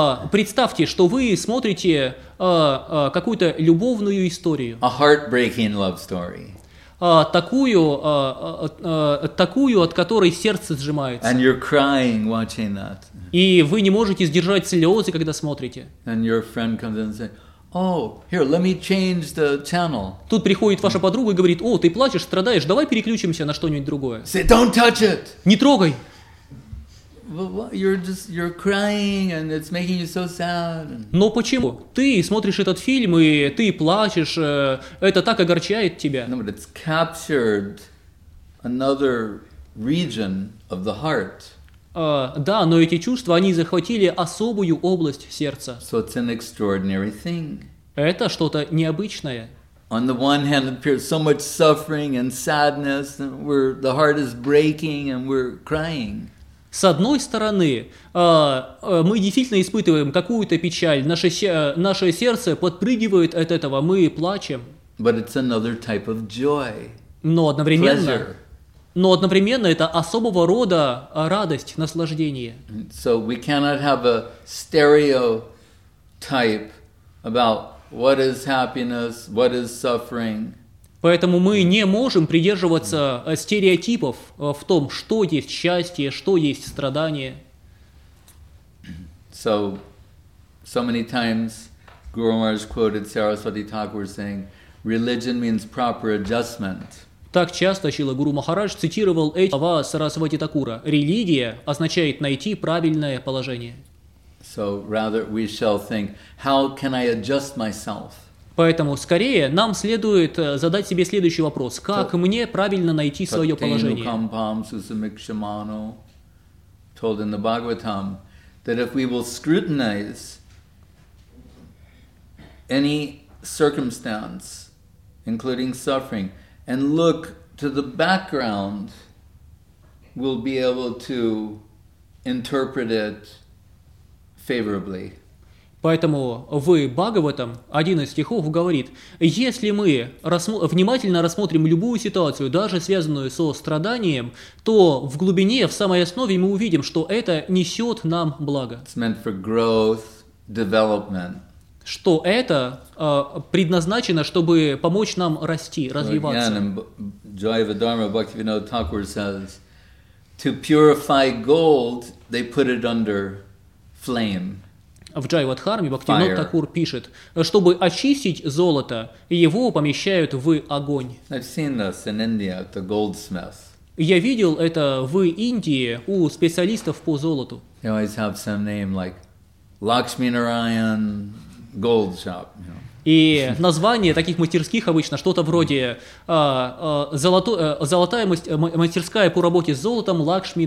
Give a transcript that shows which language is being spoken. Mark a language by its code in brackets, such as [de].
[ru] Представьте, что вы смотрите какую-то любовную историю. [en] A heartbreaking love story. [ru] Такую, от которой сердце сжимается. [en] And you're crying watching that. [ru] И вы не можете сдержать слезы, когда смотрите. [en] And your friend comes in and says, oh, here, let me change the channel. [ru] Тут приходит ваша подруга и говорит, о, ты плачешь, страдаешь, давай переключимся на что-нибудь другое. [en] Say, don't touch it. [ru] Не трогай. [en] You're crying and it's making you so sad. [ru] Но почему? Ты смотришь этот фильм и ты плачешь. Это так огорчает тебя. [en] No, but it's captured another region of the heart. [ru] Да, но эти чувства, они захватили особую область сердца. [en] So it's an extraordinary thing. [ru] Это что-то необычное. [en] On the one hand, it appears so much suffering and sadness, and the heart is breaking and we're crying. [ru] С одной стороны, мы действительно испытываем какую-то печаль, наше сердце подпрыгивает от этого, мы плачем. [en] But it's another type of joy. [ru] Но одновременно это особого рода радость, наслаждение. [en] So we cannot have a stereotype about What is happiness? What is suffering? [ru] Поэтому мы не можем придерживаться стереотипов в том, что есть счастье, что есть страдание. [en] So many times Guru Maharaj quoted Saraswati Thakur saying, religion means proper adjustment. [ru] Так часто Шрила Гуру Махарадж цитировал эти слова Сарасвати Такура. Религия означает найти правильное положение. [en] So rather we shall think, how can I adjust myself? [ru] Поэтому скорее нам следует задать себе следующий вопрос. Как мне правильно найти свое положение? [en] Kampam Susamikshamano told in the Bhagavatam that if we will scrutinize any circumstance, including suffering, and look to the background, we'll be able to interpret it favorably. [ru] Поэтому в Бхагаватам один из стихов говорит, если мы внимательно рассмотрим любую ситуацию, даже связанную со страданием, то в глубине, в самой основе мы увидим, что это несет нам благо. [en] It's meant for growth, development. [ru] Что это предназначено, чтобы помочь нам расти, развиваться. [en] Again, Jayavadharma Bhaktivinoda Thakur says, to purify gold, they put it under flame. [ru] В Джайвадхарме Бхактивинода Такур пишет, чтобы очистить золото, его помещают в огонь. [en] I've seen this in India, the goldsmith. [ru] Я видел это в Индии у специалистов по золоту. [en] They always have some name like Lakshmi Narayan Gold Shop. You know. [ru] И название таких мастерских обычно что-то вроде золотая мастерская по работе с золотом Лакшми